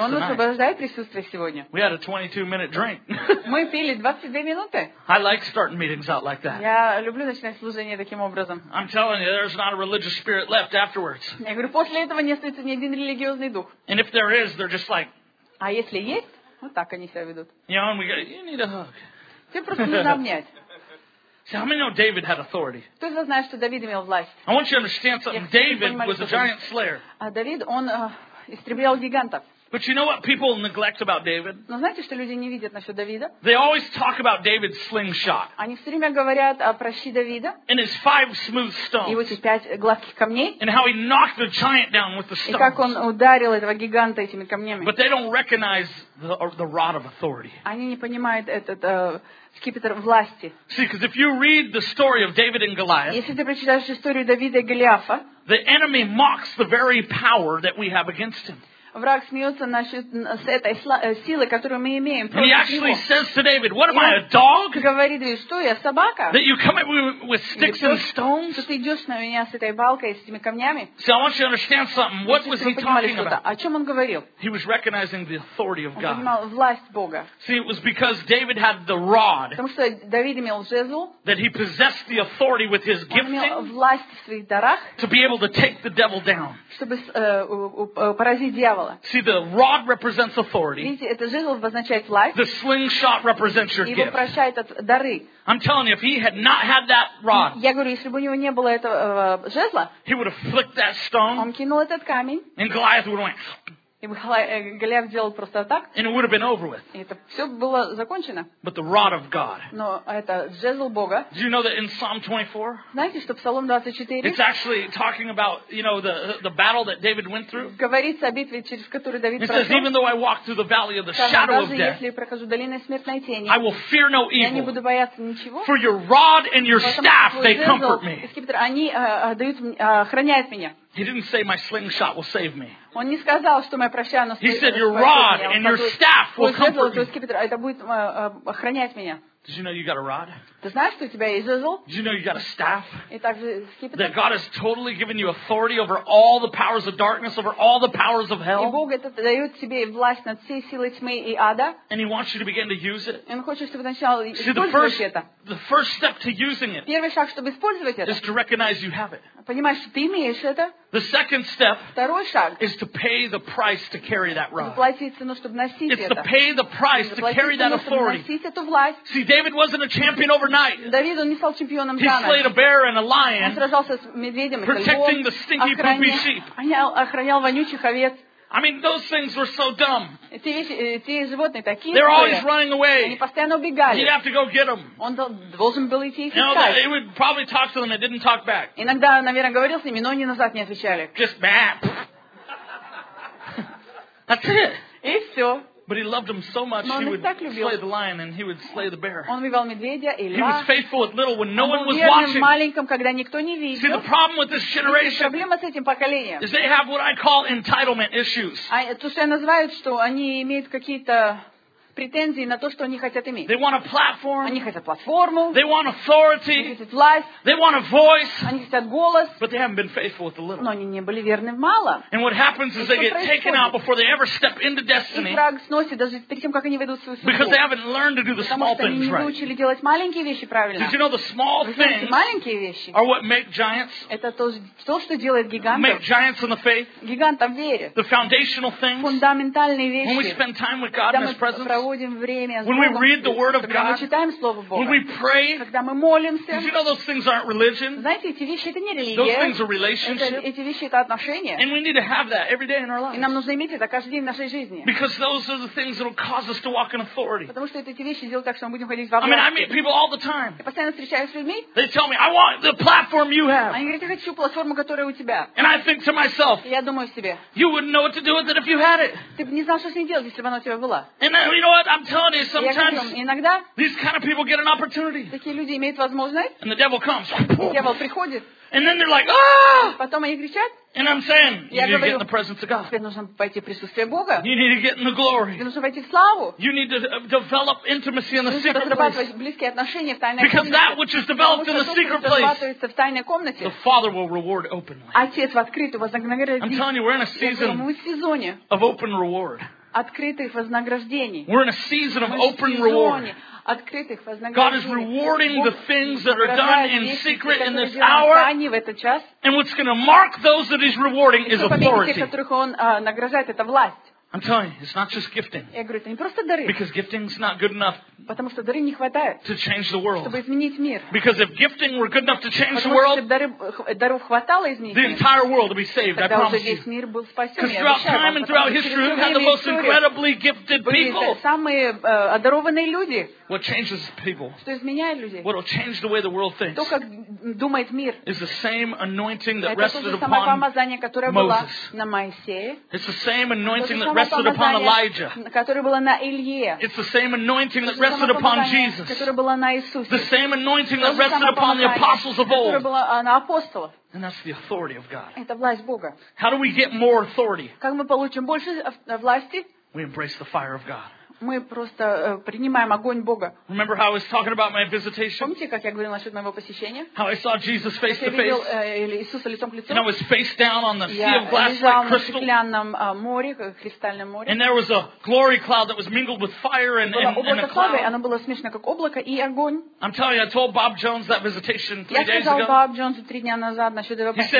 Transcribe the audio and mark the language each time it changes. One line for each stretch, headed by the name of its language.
Russian: он освобождает присутствие сегодня.
English: We had a 22-minute drink.
Russian: Мы пили 22 минуты.
English: I like starting meetings out like that.
Russian: Я люблю начинать служение таким образом.
English: I'm telling you, there's not a religious spirit left afterwards.
Russian: Я говорю, после этого не остается ни один религиозный дух.
English: And if there is, they're just like.
Russian: А если есть, вот так они себя ведут.
English: You know, and we go, you need a hug.
Russian: Тебе просто нужно обнять.
English: How many know David had authority?
Russian: Кто из вас знает, что Давид имел власть?
English: I want you to understand something. David was a giant slayer.
Russian: А Давид, он истреблял гигантов.
English: But you know what people neglect about David?
Russian: Но знаете, что люди не видят насчет Давида?
English: They always talk about David's slingshot.
Russian: Они все время говорят о прощи Давида.
English: And his five smooth stones.
Russian: И вот эти пять гладких камней.
English: And how he knocked the giant down with the stones.
Russian: И как он ударил этого гиганта этими камнями.
English: But they don't recognize the rod of authority.
Russian: Они не понимают этот скипетр власти.
English: See, because if you read the story of David and Goliath.
Russian: Если ты прочитаешь историю Давида и Голиафа.
English: The enemy mocks the very power that we have against him.
Russian: Враг смеется насчет этой силы, которую мы имеем.
English: And he actually says to David, "What am I, a dog?"
Russian: Говорит ему, что я собака.
English: That you come at me with sticks and stones.
Russian: Что ты идешь на меня с этой балкой, с этими камнями?
English: See, I want you to understand something. What was he talking about?
Russian: О чем он говорил?
English: He was recognizing the authority of God.
Russian: Он понимал власть Бога.
English: See, it was because David had the rod.
Russian: Потому что Давид имел жезл.
English: That he possessed the authority with his gifting.
Russian: Он имел власть в своих дарах.
English: To be able to take the devil down.
Russian: Чтобы поразить дьявола.
English: See, the rod represents authority.
Russian: Это жезл обозначает власть.
English: The slingshot represents your gift.
Russian: Его прощает от дары.
English: I'm telling you, if he had not had that rod,
Russian: я говорю, если бы у него не было этого жезла,
English: he would have flicked that stone.
Russian: Он кинул этот камень.
English: And Goliath would have went.
Russian: И Голиаф делал просто так.
English: And it would have been over with.
Russian: И это все было закончено.
English: But the rod of God.
Russian: Но это жезл Бога.
English: Do you know that in Psalm 24?
Russian: Знаете, что Псалом 24?
English: It's actually talking about, you know, the battle that David went through.
Russian: Говорится о битве, через которую Давид прошел.
English: It says, even though I walk through the valley of the shadow of death,
Russian: если я прохожу долиной смертной тени,
English: I will fear no evil.
Russian: Я не буду бояться ничего.
English: For your rod and your staff, they comfort me.
Russian: Они дают, охраняют меня.
English: He didn't say my slingshot will save me.
Russian: Он не сказал, что моя прощая нас.
English: He said your rod and your staff will comfort me.
Russian: Скипетр, это будет охранять меня.
English: Did you know you got a rod?
Russian: Ты знаешь, что у тебя есть жезл?
English: Did you know you got a staff?
Russian: И также скипетр.
English: That God has totally given you authority over all the powers of darkness, over all the powers of hell.
Russian: И Бог это дает тебе власть над всей силой тьмы и ада.
English: And He wants you to begin to use it.
Russian: И Он хочет, чтобы начал использовать это.
English: The first step to using it.
Russian: Первый шаг, чтобы использовать это.
English: Is to recognize you have it.
Russian: Понимаешь, что ты имеешь это?
English: The second step.
Russian: Второй шаг.
English: Is to pay the price to carry that rod.
Russian: Заплатить цену, чтобы носить это.
English: It's to pay the price to carry that authority.
Russian: Заплатить цену, чтобы носить эту власть.
English: See, David wasn't a champion overnight.
Russian: Давид он не стал чемпионом за ночь.
English: He slayed a bear and a lion.
Russian: Он сражался с медведем и львом.
English: Protecting the stinky poopy sheep.
Russian: Охранял вонючих овец.
English: I mean, those things were so dumb.
Russian: Эти животные такие злые.
English: They're always running away.
Russian: Они постоянно убегали.
English: He'd have to go get them.
Russian: Он должен был идти их искать.
English: You know, he would probably talk to them and didn't talk back.
Russian: Иногда, наверное, говорил с ними, но они назад не отвечали.
English: Just bam. That's it.
Russian: И все.
English: But he loved him so much, he would slay the lion and he would slay the bear.
Russian: Он убивал медведя и льва.
English: He was faithful with little when no one was
Russian: верным, Маленьком, когда никто не видел.
English: See, the problem with this generation
Russian: с этим поколением
English: is they have what I call entitlement issues.
Russian: То, что я называю, что они имеют какие-то претензии на то, что они хотят иметь.
English: They want a platform.
Russian: Они хотят платформу.
English: They want authority.
Russian: Они хотят власть.
English: They want a voice.
Russian: Они хотят голос.
English: But they haven't been faithful with the little.
Russian: Но они не были верны в мало.
English: And what happens is they get taken out before they ever step into destiny.
Russian: И враг сносит даже перед тем, как они войдут в свою судьбу.
English: Because they haven't learned to do the small things right.
Russian: Потому что они не научили делать маленькие вещи правильно.
English: Did you know the small things?
Russian: Маленькие вещи.
English: Are what make giants?
Russian: Это то, что делает гигантов.
English: Make giants in the faith.
Russian: Гигантов вере.
English: The foundational things.
Russian: Фундаментальные вещи.
English: When we spend time with God in His presence,
Russian: время,
English: when we read the Word of God,
Russian: Бога,
English: when we pray,
Russian: молимся,
English: did you know those things aren't religion?
Russian: Знаете, эти вещи, это не религия,
English: those things are relationships.
Russian: Эти вещи, это отношения.
English: And we need to have that every day in our lives.
Russian: И нам нужно иметь это каждый день в нашей жизни.
English: Because those are the things that will cause us to walk in authority.
Russian: Потому что эти вещи сделают так, что мы будем ходить во власти.
English: I mean, I meet people all the time.
Russian: Я постоянно встречаюсь с людьми.
English: They tell me, I want the platform you have.
Russian: Они говорят, я хочу платформу, которая у тебя.
English: And I think to myself,
Russian: я думаю себе,
English: you wouldn't know what to do with it if you had it.
Russian: Ты бы не знал, что с ней делать, если бы она у тебя была.
English: And then, you know what? I'm telling you, sometimes
Russian: иногда
English: these kind of people get an opportunity.
Russian: Такие люди имеют возможность.
English: And the devil comes.
Russian: Дьявол приходит.
English: And then they're like, ah!
Russian: Потом они кричат.
English: And I'm saying, you need
Russian: говорю,
English: to get in the presence of God.
Russian: Тебе нужно пойти в присутствие Бога.
English: You need to get in the glory.
Russian: Тебе нужно войти в славу.
English: You need to develop intimacy in the secret place.
Russian: Разрабатывать близкие отношения в тайной комнате.
English: Because that which is developed in the secret place,
Russian: в тайной комнате,
English: the Father will reward openly.
Russian: Отец в открытую вознаградит.
English: I'm telling you, we're in a season of open reward.
Russian: Открытых вознаграждений.
English: We're in a season of open reward.
Russian: Открытых вознаграждений.
English: God is rewarding the things that are done in secret in this hour. And what's going to mark those that He's rewarding is authority.
Russian: Тех, которых Он награждает, это власть.
English: I'm telling you, it's not just gifting.
Russian: Я говорю, это не просто дары.
English: Because gifting's not good enough.
Russian: Потому что дары не хватает.
English: To change the world.
Russian: Чтобы изменить мир.
English: Because if gifting were good enough to change
Russian: Потому
English: the world,
Russian: если бы даров хватало изменить,
English: the entire world would be saved.
Russian: Тогда
English: I promise
Russian: уже весь мир был спасен.
English: Because throughout time and throughout history, we've had the most incredibly gifted people.
Russian: Самые одарованные люди.
English: What changes people?
Russian: Что изменяет людей?
English: What will change the way the world thinks?
Russian: То, как думает мир.
English: Is the same anointing that
Russian: это
English: rested upon
Russian: помазание,
English: Moses.
Russian: Было на Моисее.
English: It's the same anointing that rested upon Elijah.
Russian: Которое было на Илье.
English: It's the same anointing that rested upon Jesus.
Russian: Которое было на Иисусе.
English: The same anointing that rested upon the apostles of old.
Russian: Которое было на апостолах.
English: And that's the authority of God.
Russian: Это власть Бога.
English: How do we get more authority?
Russian: Как мы получим больше власти?
English: We embrace the fire of God.
Russian: Мы просто принимаем огонь Бога.
English: Remember how I was talking about my visitation?
Russian: Помните, как я говорила насчет моего посещения?
English: How I saw Jesus face to face?
Russian: Видел Иисуса лицом к лицу.
English: And I was face down on the sea of glass
Russian: Я лежал на стеклянном море, кристальном море.
English: And there was a glory cloud that was mingled with fire and a cloud.
Russian: Оно было смешано как облако и огонь.
English: I'm telling you, I told Bob Jones that visitation 3 days ago.
Russian: Я сказал Боб Джонсу 3 дня назад насчет его посещения.